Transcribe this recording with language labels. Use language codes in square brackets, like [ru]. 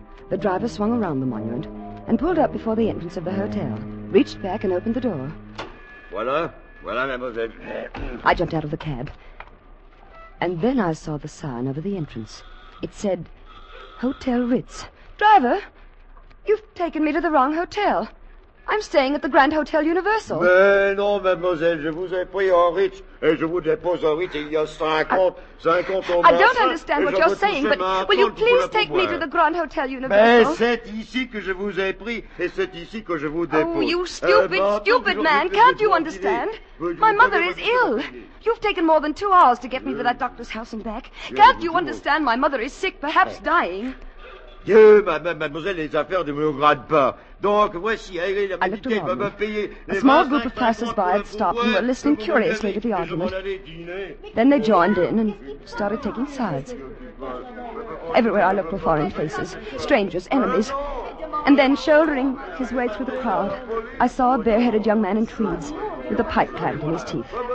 [en] The driver swung around the monument and pulled up before the entrance of the hotel, reached back and opened the door. [fr] Voilà. Voilà, mademoiselle. [en] I jumped out of the cab. And then I saw the sign over the entrance. It said, Hotel Ritz. Driver, you've taken me to the wrong hotel. I'm staying at the Grand Hotel Universal. [fr] Mais non, mademoiselle, je vous ai pris au Ritz. Et je vous dépose au Ritz il y a 50 ans. [en] I don't understand what you're saying, but will you please take me to the Grand Hotel Universal? [fr] Mais c'est ici que je vous ai pris, et c'est ici que je vous dépose. [en] Oh, you stupid, stupid man, can't you understand? My mother is ill. You've taken more than 2 hours to get me to that doctor's house and back. Can't you understand? My mother is sick, perhaps dying. [fr] Dieu, mademoiselle, les affaires ne me gradent pas. Donc, voici, allez, la médicale va me payer. [en] A small group of passers-by had stopped and were listening curiously to the argument. Then they joined in and started taking sides. Everywhere I looked for foreign faces, strangers, enemies. And then, shouldering his way through the crowd, I saw a bare-headed young man in tweeds with a pipe clamped in his teeth.